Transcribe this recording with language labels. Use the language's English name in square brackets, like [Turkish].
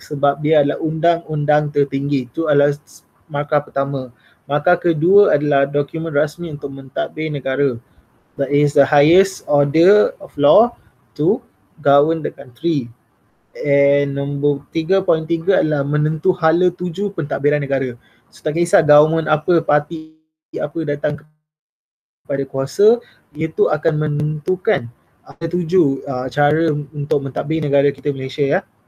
[Malay] Sebab dia adalah undang-undang tertinggi. Itu adalah markah pertama. Markah kedua adalah dokumen rasmi untuk mentadbir negara. [English] That is the highest order of law to govern the country. [Malay] And nombor 3.3 adalah menentu hala tuju pentadbiran negara. So tak kisah government apa, parti apa datang kepada kuasa, iaitu akan menentukan hala tuju cara untuk mentadbir negara kita Malaysia, ya.